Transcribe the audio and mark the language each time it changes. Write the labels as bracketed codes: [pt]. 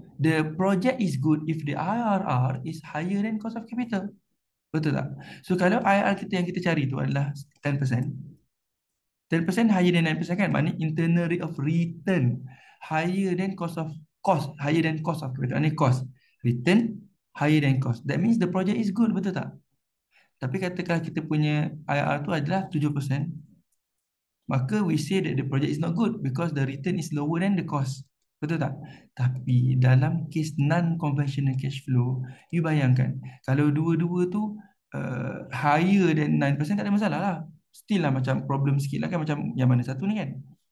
[en] The project is good if the IRR is higher than cost of capital. [ms] Betul tak? So kalau IRR kita yang kita cari tu adalah 10%. [en] 10% higher than 9% kan? Maksudnya internal rate of return higher than cost of cost. Higher than cost of capital. Ini cost. Return higher than cost. That means the project is good. [ms] Betul tak? Tapi katakanlah kita punya IRR tu adalah 7%. [en] Maka we say that the project is not good because the return is lower than the cost. [ms] Betul tak? Tapi dalam kes non-conventional cash flow, you bayangkan, kalau dua-dua tu [en] higher than 9%, [ms] tak ada masalah lah. Still lah macam problem sikit lah kan, macam yang mana satu ni kan.